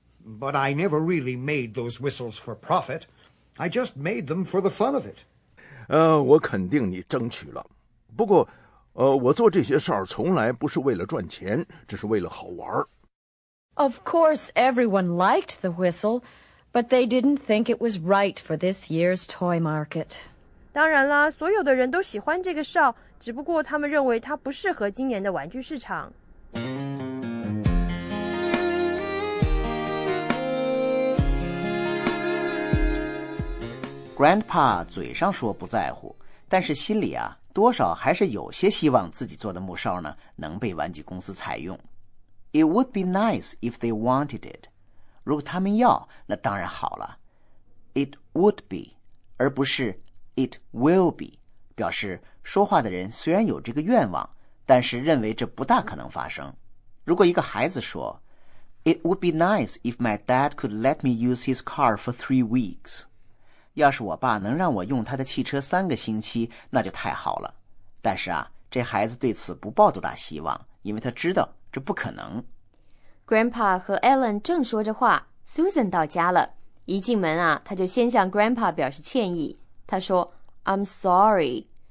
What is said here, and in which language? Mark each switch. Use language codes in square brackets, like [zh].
[en] But I never really made those whistles for profit. I just made them for the fun of it. [zh] 我肯定你争取了。不过我做这些事儿从来不是为了赚钱，只是为了好玩。 [en] Of course, everyone liked the whistle, but they didn't think it was right for this year's toy market. [zh] 当然啦，所有的人都喜欢这个哨，只不过他们认为它不适合今年的玩具市场。 Grandpa 嘴上说不在乎，但是心里啊多少还是有些希望自己做的木哨呢能被玩具公司采用。 [en] It would be nice if they wanted it. [zh] 如果他们要，那当然好了。 [en] It would be, [zh] 而不是 [en] it will be, [zh] 表示说话的人虽然有这个愿望，但是认为这不大可能发生。如果一个孩子说 [en] It would be nice if my dad could let me use his car for 3 weeks. [zh] 要是我爸能让我用他的汽车3个星期，那就太好了。但是啊，这孩子对此不抱多大希望，因为他知道这不可能。 Grandpa 和 Ellen 正说着话， Susan 到家了。一进门啊，他就先向 Grandpa 表示歉意。他说 [en] I'm sorry。